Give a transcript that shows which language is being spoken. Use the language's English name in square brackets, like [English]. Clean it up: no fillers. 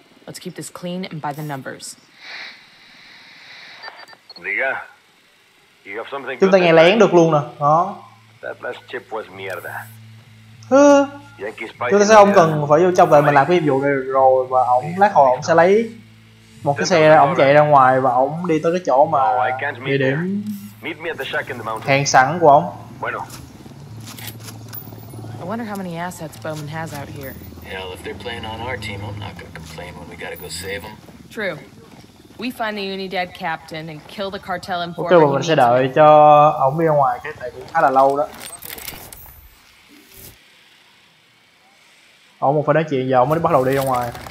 [English] Let's keep this clean and by the numbers. Diga, you have something. [Vietnamese] Chúng ta nghe lén được luôn nè, đó. [English] That last chip was mierda. [Vietnamese] Chúng ta sẽ không cần phải vô trong đợi mình làm cái nhiệm vụ này rồi và ông lát hồi ông sẽ lấy một cái xe ông chạy ra ngoài và ông đi tới cái chỗ mà địa điểm hẹn sẵn của ông. [English] I wonder how many assets Bowman has out here. Hell, if they're playing on our team, I'm not gonna complain when we gotta go save them. True. We find the Unidad captain and kill the cartel in Portland. [Vietnamese] Okay, mình sẽ đợi cho ổng đi ra ngoài, cái này cũng khá là lâu đó. Ổng một phải nói chuyện giờ ổng mới bắt đầu đi ra ngoài.